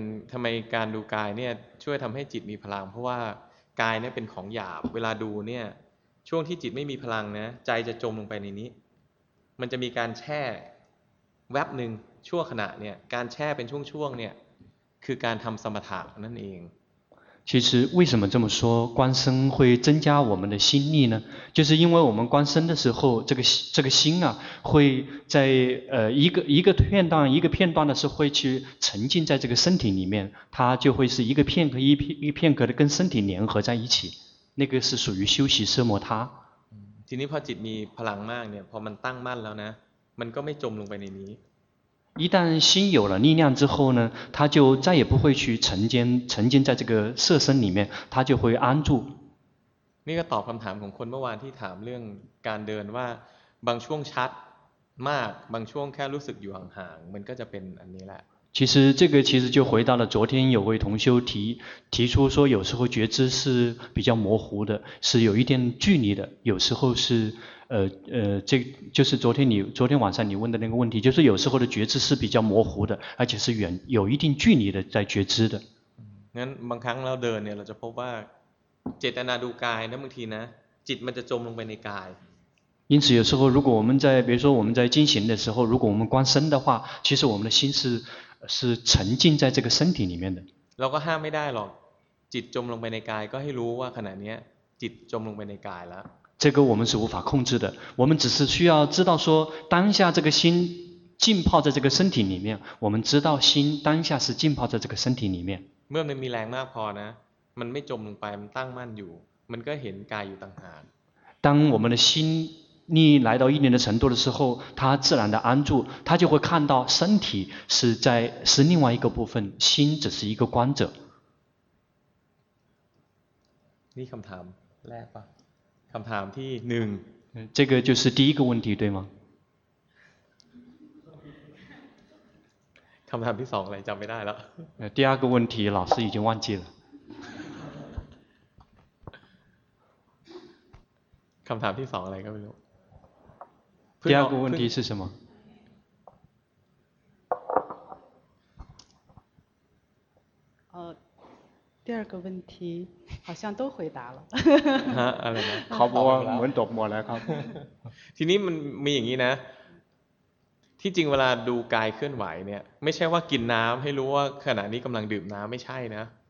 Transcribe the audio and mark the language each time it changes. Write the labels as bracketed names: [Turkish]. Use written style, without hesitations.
[Thai] ทำไมการดูกายเนี่ยช่วยทำให้จิตมีพลังเพราะว่ากายเนี่ยเป็นของหยาบเวลาดูเนี่ยช่วงที่จิตไม่มีพลังนะใจจะจมลงไปในนี้มันจะมีการแช่แวบนึงชั่วขณะเนี่ยการแช่เป็นช่วงๆเนี่ยคือการทำสมถะนั่นเอง [Chinese] 其实为什么这么说，观身会增加我们的心力呢？就是因为我们观身的时候，这个心啊，会在一个片段一个片段的时候会去沉浸在这个身体里面，它就会是一个片刻一片刻的跟身体联合在一起，那个是属于休息奢摩他。 [Thai] ทีนี้พอจิตมีพลังมากเนี่ยพอมันตั้งมั่นแล้วนะมันก็ไม่จมลงไปในนี้ [Chinese] 一旦心有了力量之后呢，他就再也不会去沉浸在这个色身里面，他就会安住。 [Thai] นี่ก็ตอบคำถามของคนเมื่อวานที่ถามเรื่องการเดินว่าบางช่วงชัดมากบางช่วงแค่รู้สึกอยู่ห่างๆมันก็จะเป็นอันนี้แหละ [Chinese] 其实这个其实就回到了昨天有位同修提出说，有时候觉知是比较模糊的，是有一点距离的，有时候是这就是昨天晚上你问的那个问题，就是有时候的觉知是比较模糊的，而且是远有一定距离的在觉知的。 [Thai] งั้นบางครั้งเราเดินเนี่ยเราจะพบว่าเจตนาดูกายนะบางทีนะจิตมันจะจมลงไปในกาย [Chinese] 因此有时候如果我们在比如说我们在进行的时候，如果我们观身的话，其实我们的心是沉浸在这个身体里面的。 [Thai] เราก็ห้ามไม่ได้หรอกจิตจมลงไปในกายก็ให้รู้ว่าขณะนี้จิตจมลงไปในกายแล้ว [Chinese] 这个我们是无法控制的，我们只是需要知道说当下这个心浸泡在这个身体里面，我们知道心当下是浸泡在这个身体里面。 [Thai] เมื่อมันมีแรงมากพอนะมันไม่จมลงไปมันตั้งมั่นอยู่มันก็เห็นกายอยู่ต่างหาก [Chinese] 当我们的心力来到一定的程度的时候，他自然的安住，他就会看到身体是另外一个部分，心只是一个观者。 [Thai] 你คำถามแรกป่ะ？คำถามที่หนึ่ง。 [Chinese] 这个就是第一个问题，对吗？ [Thai] คำถามที่สองอะไรจำไม่ได้แล้ว。 [Chinese] 第二个问题，老师已经忘记了。 [Thai] คำถามที่สองอะไรก็ไม่รู้ [Chinese] 第二个问题是什么？第二个问题好像都回答了。 [Thai] 啊，อะไรนะ？ เขาบอกว่าเหมือนตกหมดแล้วครับ。 ทีนี้มันมีอย่างนี้นะ。 ที่จริงเวลาดูกายเคลื่อนไหวเนี่ยไม่ใช่ว่ากินน้ำให้รู้ว่าขณะนี้กำลังดื่มน้ำไม่ใช่นะ。